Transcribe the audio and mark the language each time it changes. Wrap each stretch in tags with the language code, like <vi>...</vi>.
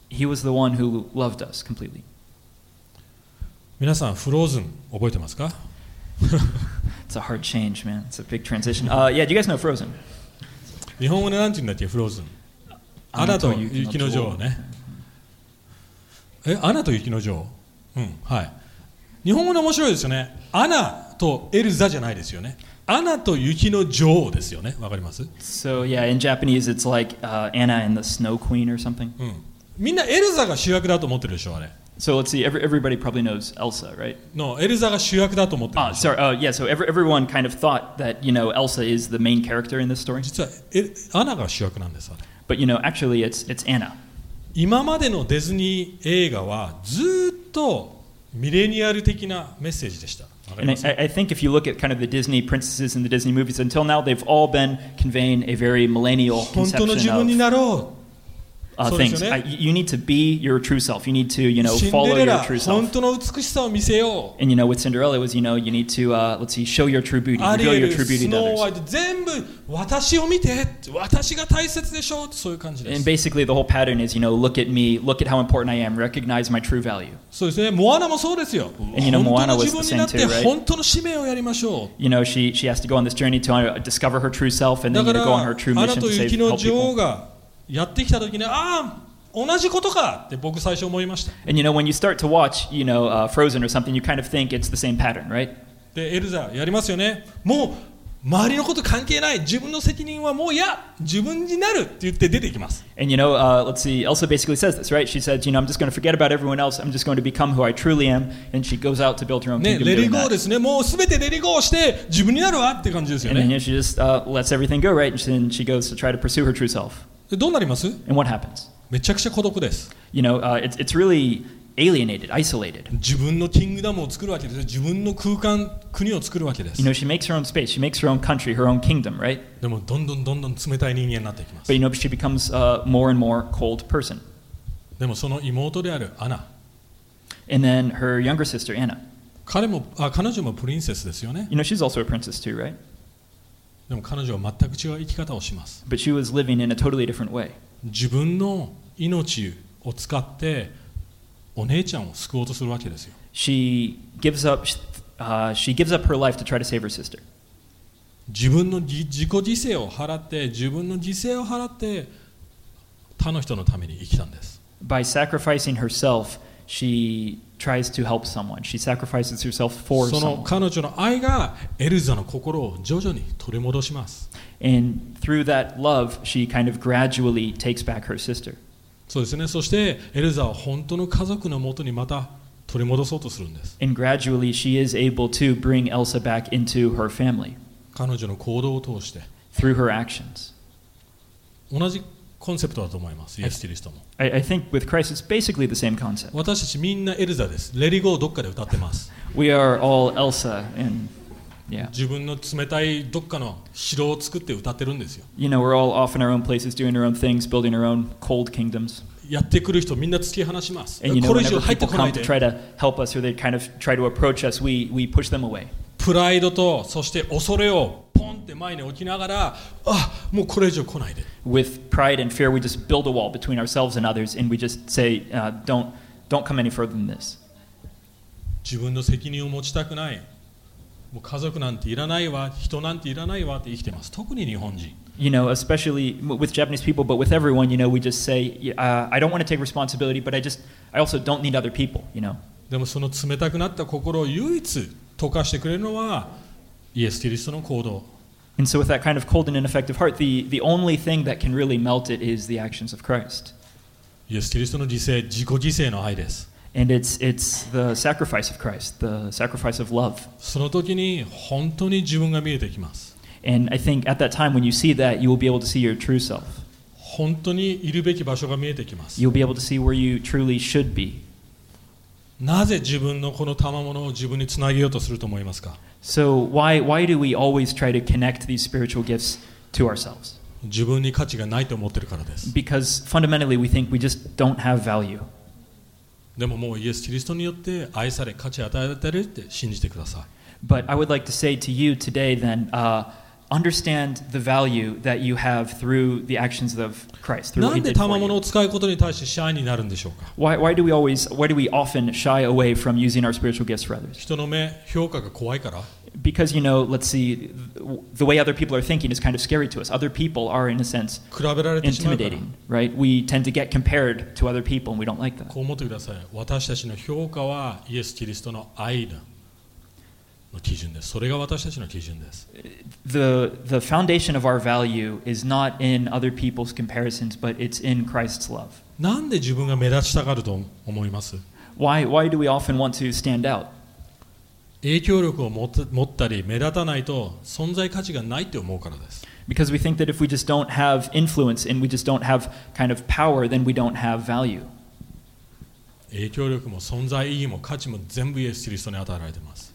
<en>He was the one who loved us completely.</en> <ja>皆さん、フローズン覚えてますか?</ja> <en>It's a hard change, man. It's a big transition. Yeah, do you guys know Frozen?</en> <ja>日本語で何て言うんだっけ、フローズン。アナと雪の女王ね。アナと雪の女王。うん、はい。日本語で面白いですよね。アナ。とエルザじゃないですよね。アナと雪の女王ですよね。わかります?</ja> <en>So yeah, in Japanese it's like Anna and the Snow Queen or something.</en> <ja>うん。みんなエルザが主役だと思ってるでしょあれ。</ja> <en>So let's see, everybody probably knows Elsa, right?</en> <ja>No, エルザが主役だと思ってる。</ja> <en>Yeah, so everyone kind of thought that, you know, Elsa is the main character in this story.</en> <ja>実はアナが主役なんですあれ。</ja> <en>But you know, actually it's Anna.</en> <ja>今までのディズニー映画はずっとミレニアル的なメッセージでした。</ja> <en>And I think if you look at kind of the Disney princesses and the Disney movies until now, they've all been conveying a very millennial conception of things. You need to be your true self. You need to, you know, follow your true self.</en> <ja>本当の美しさを見せよう。</ja> <en>And you know, with Cinderella, it was, you know, you need to, let's see, show your true beauty, reveal your true beauty to others.</en> <ja>全部私を見て、私が大切でしょう、そういう感じです。</ja> <en>And basically, the whole pattern is, you know, look at me, look at how important I am, recognize my true value.</en> <ja>そうですね、モアナもそうですよ。</ja> <en>And you know, Moana was the same too, right?</en> <ja>本当の使命をやりましょう。</ja> <en>You know, she has to go on this journey to discover her true self and then, you know, go on her true mission to save help people.</en> <ja>やってきたときに、ああ、同じことかって僕最初思いました。</ja> <en>And you know, when you start to watch, you know, Frozen or something, you kind of think it's the same pattern, right?</en> <ja>で、エルザやりますよね。もう周りのこと関係ない。自分の責任はもういや、自分になるって言って出てきます。</ja> <en>And you know, let's see, Elsa basically says this, right? She says, you know, I'm just going to forget about everyone else. I'm just going to become who I truly am. And she goes out to build her own kingdom.</en> <ja>ね、レディゴーですね。もうすべてレディゴーして自分になるわって感じですよね。</ja> <en>And then, you know, she just lets everything go, right? And she goes to try to pursue her true self.</en> <ja>どうなります?</ja> <en>And what happens?</en> <ja>めちゃくちゃ孤独です。</ja> <en>You know, it's really alienated, isolated.</en> <ja>自分のキングダムを作るわけです。自分の空間、国を作るわけです。</ja> <en>You know, she makes her own space. She makes her own country, her own kingdom, right?</en> <ja>でもどんどんどんどん冷たい人間になっていきます。</ja> <en>But you know, she becomes a more and more cold person.</en> <ja>でもその妹であるアナ。</ja> <en>And then her younger sister, Anna.</en> <ja>彼女もプリンセスですよね。</ja> <en>You know, she's also a princess too, right?</en> <ja>でも彼女は全く違う生き方をします。</ja> <en>But she was living in a totally different way.</en> <ja>自分の命を使ってお姉ちゃんを救おうとするわけですよ。</ja> <en>She gives up her life to try to save her sister.</en> <ja>自分の自己犠牲を払って、自分の犠牲を払って他の人のために生きたんです。</ja> <en>By sacrificing herself, she tries to help someone. She sacrifices herself for その someone.</en> <ja>その彼女の愛がエルザの心を徐々に取り戻します。</ja> <en>And through that love, she kind of gradually takes back her sister.</en> <ja>そうですね。そしてエルザは本当の家族の元にまた取り戻そうとするんです。</ja> <en>And gradually, she is able to bring Elsa back into her family.</en> <ja>彼女の行動を通して。</ja> <en>Through her actions.</en> <ja>同じコンセプトだと思います。イエス・キリストも。</ja> <en>I think with Christ, it's basically the same concept.</en> <ja>私たちみんなエルザです。レディゴーどっかで歌ってます。</ja> <en>We are all Elsa and Yeah.</en> <ja>自分の冷たいどっかの城を作って歌ってるんですよ。</ja> <en>You know, we're all off in our own places, doing our own things, building our own cold kingdoms.</en> <ja>やってくる人みんな突き放します。</ja> <en>And you know, whenever people come to try to help us or they kind of try to approach us, we push them away.</en> <ja>プライドとそして恐れをポンって前に置きながら、あ、もうこれ以上来ないで。</ja> <en>With pride and fear, we just build a wall between ourselves and others, and we just say, don't come any further than this.</en> <ja>自分の責任を持ちたくない。もう家族なんていらないわ、人なんていらないわって生きてます。特に日本人。</ja> <en>You know, especially with Japanese people, but with everyone, you know, we just say, I don't want to take responsibility, but I also don't need other people, you know.</en> <ja>でもその冷たくなった心を唯一溶かしてくれるのはイエス・キリストの行動。</ja> <en>And so with that kind of cold and ineffective heart, the only thing that can really melt it is the actions of Christ.</en> <ja>イエス・キリストの犠牲、自己犠牲の愛です。</ja> <en>And it's the sacrifice of Christ, the sacrifice of love.</en> <ja>その時に本当に自分が見えてきます。</ja> <en>And I think at that time when you see that, you will be able to see your true self.</en> <ja>本当にいるべき場所が見えてきます。</ja> <en>You'll be able to see where you truly should be.</en> <ja>なぜ自分のこの賜物を自分につなげようとすると思いますか?</ja> <en>So why do we always try to connect these spiritual gifts to ourselves?</en> <ja>自分に価値がないと思ってるからです。</ja> <en>Because fundamentally we think we just don't have value.</en> <ja>でももうイエス・キリストによって愛され価値与えられているって信じてください。</ja> <en>But I would like to say to you today then, understand the value that you have through the actions of Christ.</en> <ja>なんで賜物を使うことに対してシャイになるんでしょうか</ja> <en>why do we often shy away from using our spiritual gifts for others?</en> <ja>人の目、評価が怖いから。</ja> <en>Because, you know, let's see, the way other people are thinking is kind of scary to us. Other people are, in a sense, intimidating, right? We tend to get compared to other people, and we don't like that.</en> <ja>こう思ってください。私たちの評価はイエス・キリストの愛の基準です。それが私たちの基準です。</ja> <en>The foundation of our value is not in other people's comparisons, but it's in Christ's love.</en> <ja>なんで自分が目立ちたがると思います?</ja> <en>Why do we often want to stand out?</en> <ja>影響力を持ったり目立たないと存在価値がないって思うからです。</ja> <en>Because we think that if we just don't have influence and we just don't have kind of power, then we don't have value.</en> <ja>影響力も存在意義も価値も全部イエス・キリストに与えられてます。</ja>